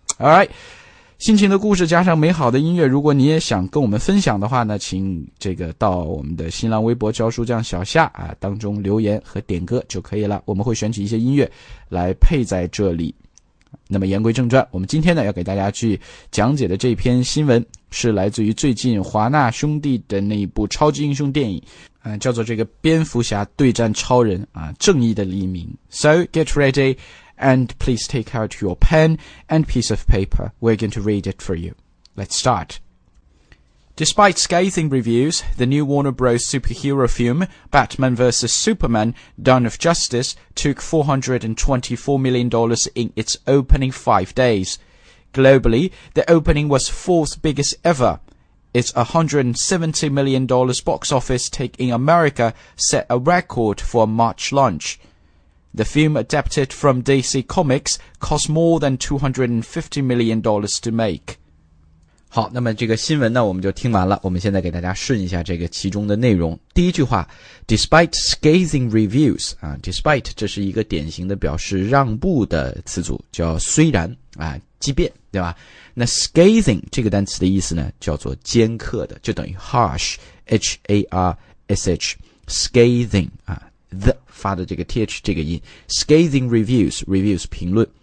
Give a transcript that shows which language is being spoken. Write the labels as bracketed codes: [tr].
[zh] Alright， 心情的故事加上美好的音乐，如果你也想跟我们分享的话呢，请这个到我们的新浪微博教书匠小夏啊当中留言和点歌就可以了，我们会选取一些音乐来配在这里。那么言归正传，我们今天呢要给大家去讲解的这篇新闻是来自于最近华纳兄弟的那一部超级英雄电影叫做这个蝙蝠侠对战超人啊，正义的黎明。 [en] So get ready and please take out your pen and piece of paper. We're going to read it for you. Let's start. Despite scathing reviews, the new Warner Bros. Superhero film Batman vs. Superman Dawn of Justice took $424 million in its opening 5 days. Globally, the opening was fourth biggest ever. Its $170 million box office take in America set a record for a March launch. The film adapted from DC Comics cost more than $250 million to make. [zh] 好，那么这个新闻呢，我们就听完了。我们现在给大家顺一下这个其中的内容。第一句话 , [en] despite scathing reviews, [zh] 啊 ,despite 这是一个典型的表示让步的词组，叫虽然啊即便，对吧？那 scathing 这个单词的意思呢，叫做尖刻的，就等于 harsh, H-A-R-S-H, scathing, 啊 ,the, 发的这个 th 这个音 , [en] scathing reviews, [zh] reviews 评论。